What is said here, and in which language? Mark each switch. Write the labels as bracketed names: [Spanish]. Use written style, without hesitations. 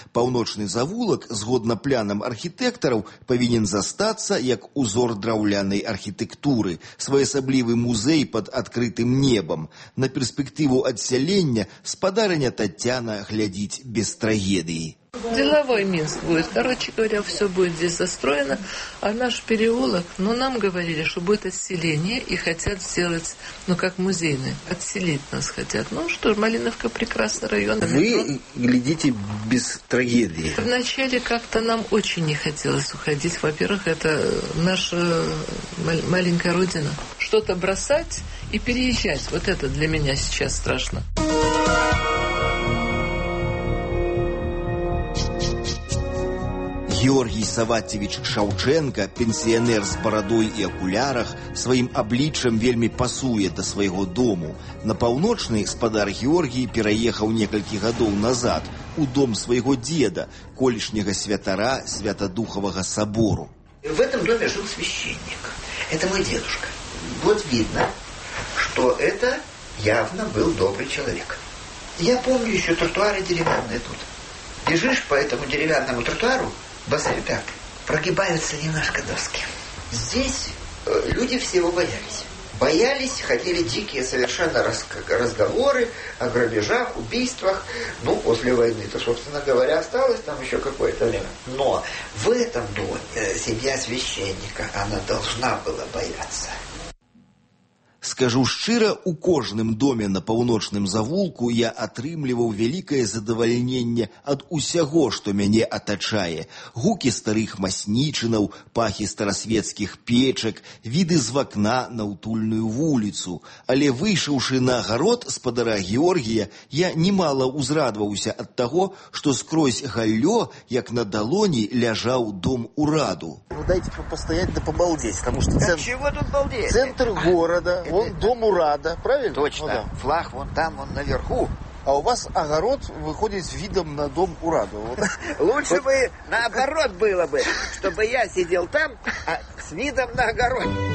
[Belarusian] Паўночны завулак, згодна планам архітэктараў, павінен застацца як узор драўлянай архітэктуры, своеасаблівы музей пад адкрытым небам. На перспектыву адсялення спадарыня Татьяна глядзіць без трагедыі. [Russian] Деловой Минск будет. Короче говоря, все будет здесь застроено. А наш переулок, ну, нам говорили, что будет отселение, и хотят сделать, ну, как музейный. Отселить нас хотят. Ну, что ж, Малиновка прекрасный район. Вы глядите без трагедии. Вначале как-то нам очень не хотелось уходить. Во-первых, это наша маленькая родина. Что-то бросать и переезжать. Вот это для меня сейчас страшно. [Belarusian] Георгий Саватевич Шаўчэнка, пенсіянер з барадой і акулярах, сваім абліччам вельмі пасуе да свайго дому. На паўночны спадар Георгій пераехаў некалькі гадоў назад у дом свайго дзеда, колішняга святара Святадухавага сабору. [Russian] В этом доме жыў священнік. Это мой дзедушка. Вот видно, што это явна [Belarusian] быў добры чалавек. [Russian] Я помню ещё тротуары деревянные тут. Бежыш по этому деревянному тротуару, Басовитак, прогибаются немножко доски. Здесь люди всего боялись. Боялись, ходили дикие совершенно разговоры о грабежах, убийствах. Ну, после войны-то, собственно говоря, осталось там еще какое-то время. Но в этом доме семья священника, она должна была бояться. [Belarusian] Скажу шчыра, у кожным доме на паўночным завулку я атрымліваў вялікае задавальненне ад усяго, што мяне атачае. Гукі старых маснічынаў, пахі старасвецкіх печак, віды з вакна на утульную вуліцу. Але выйшаўшы на агарод спадара Георгія, я немала ўзрадваўся ад таго, што скрозь галлё, як на далоні, ляжаў дом ураду. Ну, дайте пастаяць да пабалдзець, таму што цэнтр горада... [Russian] Вон дом урада, правильно? Точно. Ну, да. Флаг вон там, вон наверху. А у вас огород выходит с видом на дом урада. Вот. Лучше бы наоборот было бы, чтобы я сидел там, а с видом на огород.